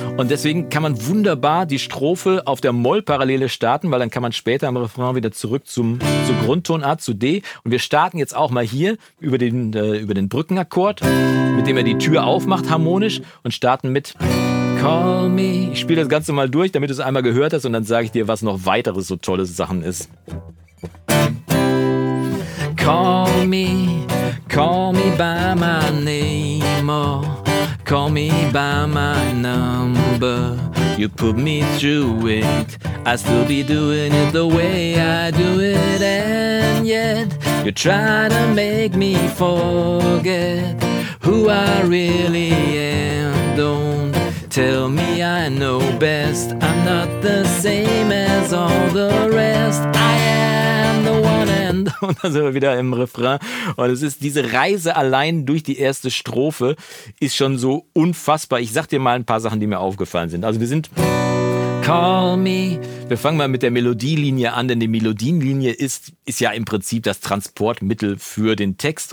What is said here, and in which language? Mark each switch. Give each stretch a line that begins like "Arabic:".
German: Und deswegen kann man wunderbar die Strophe auf der Mollparallele starten, weil dann kann man später im Refrain wieder zurück zur Grundtonart, zu D. Und wir starten jetzt auch mal hier über den Brückenakkord, mit dem er die Tür aufmacht harmonisch. Und starten mit Call Me. Ich spiele das Ganze mal durch, damit du es einmal gehört hast, und dann sage ich dir, was noch weitere so tolle Sachen ist.
English: Call me, call me by my name, oh, call me by my number. You put me through it, I still be doing it the way I do it. And yet. You try to make me forget who I really am. Don't tell me I know best. I'm not the same as all the rest. I am the one and...
German: Und dann sind wir wieder im Refrain. Und es ist diese Reise allein durch die erste Strophe ist schon so unfassbar. Ich sag dir mal ein paar Sachen, die mir aufgefallen sind. Also wir sind...
English: Call me.
German: Wir fangen mal mit der Melodielinie an, denn die Melodielinie ist ja im Prinzip das Transportmittel für den Text.